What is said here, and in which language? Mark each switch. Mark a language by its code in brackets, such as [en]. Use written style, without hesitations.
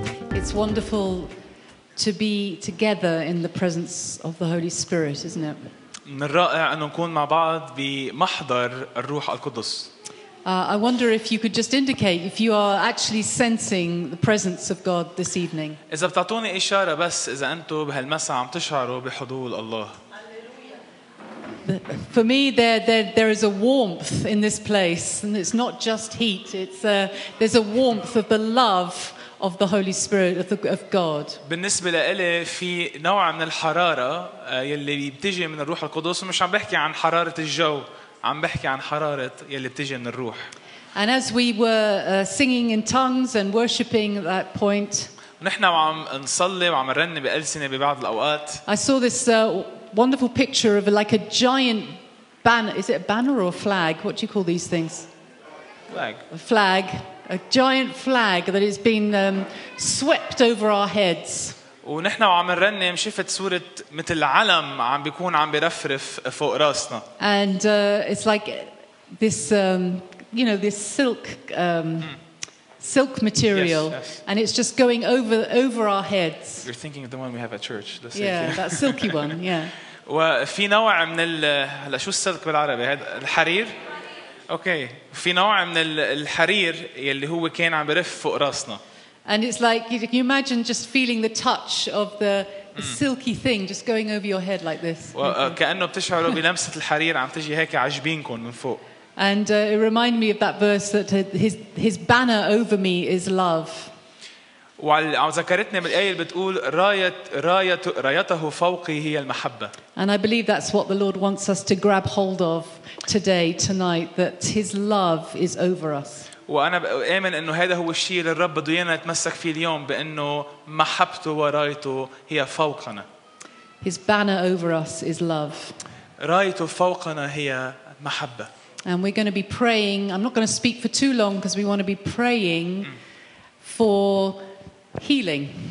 [en] It's wonderful to be together in the presence of the Holy Spirit, isn't it? [ar] من الرائع أن نكون مع بعض بمحضر الروح القدس. [en] I wonder if you could just indicate if you are actually sensing the presence of God this evening. [ar] إذا بتعطوني إشارة بس إذا أنتوا بهالمساء عم تشعروا بحضور الله. [en] For me, there is a warmth in this place, and it's not just heat. There's a warmth of the love of the Holy Spirit of God. [ar] بالنسبة لإلي في نوع من الحرارة يلي بتجي من الروح القدس. مش عم بحكي عن حرارة الجو. عم بحكي عن حرارة يلي بتجي من الروح. [en] And as we were singing in tongues and worshiping at that point, [ar] نحن عم نصلي وعم نرن بألسنة ببعض الأوقات. [en] I saw this wonderful picture of like a giant banner. Is it a banner or a flag? What do you call these things? Flag. A flag. A giant flag that has been swept over our heads. [ar] ونحن عم نرنم شفت صورة مثل علم عم بيكون عم بيرفرف فوق راسنا. [en] And it's like this, you know, this silk, silk material, yes, yes. And it's just going over our heads. You're thinking of the one we have at church. Yeah, that silky one. Yeah. [ar] وفي نوع من ال هلا شو السلك بالعربي هذا الحرير. [en] Okay. [ar] في نوع من الحرير يلي هو كان عم بيرف فوق راسنا. [en] And it's like can you imagine just feeling the touch of the silky thing just going over your head like this. [ar] وكأنه بتشعروا بلمسة الحرير عم تجي هيك عجبينكم من فوق. [en] And it reminded me of that verse that his banner over me is love. [ar] وذكرتني بالآية اللي بتقول رايته فوقي هي المحبة. [en] And I believe that's what the Lord wants us to grab hold of today, tonight, that his love is over us. [ar] وأنا بآمن إنه هذا هو الشيء اللي الرب بده إيانا نتمسك فيه اليوم بإنه محبته ورايته هي فوقنا. [en] His banner over us is love. [ar] رايته فوقنا هي محبة. [en] And we're going to be praying. I'm not going to speak for too long because we want to be praying for healing.